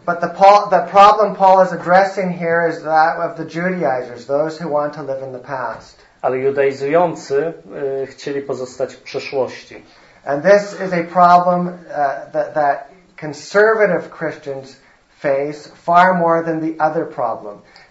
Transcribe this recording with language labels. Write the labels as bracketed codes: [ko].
[en] But the problem Paul is addressing here is that of the Judaizers, those who want to live in the past. [pl] Ale judaizujący chcieli pozostać w przeszłości. [en] And this is a problem that conservative Christians face far more than the other problem.